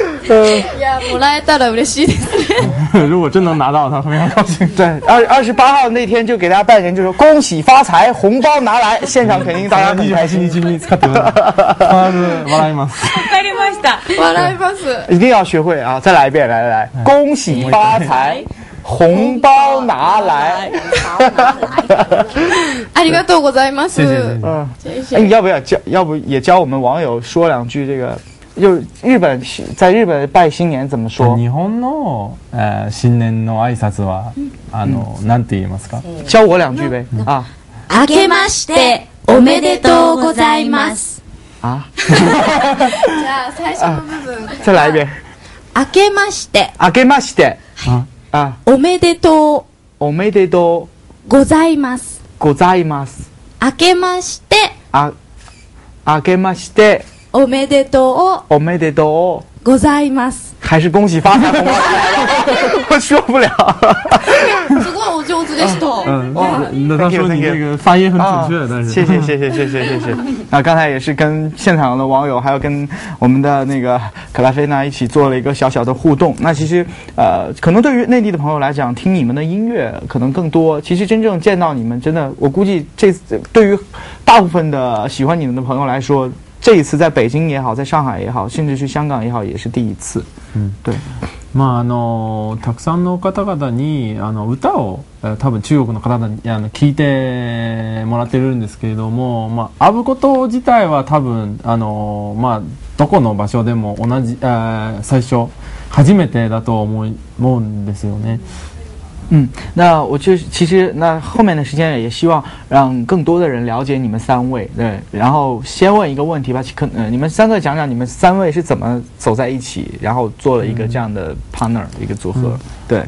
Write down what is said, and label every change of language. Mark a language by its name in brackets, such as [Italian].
[Japanese] いや、もらえたら嬉しいですね。 [Chinese] 如果真能拿到，他非常高兴。对，28号那天就给大家拜年，就说恭喜发财，红包拿来，现场肯定大家很开心。 [Japanese] 28日に使ってます。必ず笑います。わかりました。笑います。 [Chinese] 一定要学会啊！再来一遍，来来来，恭喜发财。红包拿来， [Japanese] ありがとうございます。 [Chinese] 谢谢谢谢。嗯，哎，要不要教？要不也教我们网友说两句这个？就日本在日本拜新年怎么说？ [Japanese] 日本の新年の挨拶は、なんて言いますか？ [Chinese] 教我两句呗。啊， [Japanese] 明けましておめでとうございます。 [Chinese] 啊？ [Japanese] じゃあ最初の部分。 [Chinese] 再来一遍。 [Japanese] 明けまして。明けまして。おめでとう。おめでとう。ございます。ございます。明けまして。明けまして。おめでとう。おめでとう。ございます。 [Chinese] 还是恭喜发财。我说不了。 [Japanese] すごいお上手でした。嗯， [Chinese] 那他说你这个发音很准确，但是。谢谢谢谢谢谢谢谢。那刚才也是跟现场的网友，还有跟我们的那个可拉菲娜一起做了一个小小的互动。那其实，可能对于内地的朋友来讲，听你们的音乐可能更多。其实真正见到你们，真的，我估计这对于大部分的喜欢你们的朋友来说。这一次在北京也好，在上海也好，甚至去香港也好，也是第一次。嗯，对。 [Japanese] まあたくさんの方々に歌を多分中国の方々に聞いてもらってるんですけれども、まあ会うこと自体は多分まあどこの場所でも同じ最初初めてだと思うんですよね。 [Chinese] 嗯，那我就其实那后面的时间也希望让更多的人了解你们三位，对。然后先问一个问题吧，可你们三个讲讲你们三位是怎么走在一起，然后做了一个这样的 partner、嗯、一个组合，嗯、对。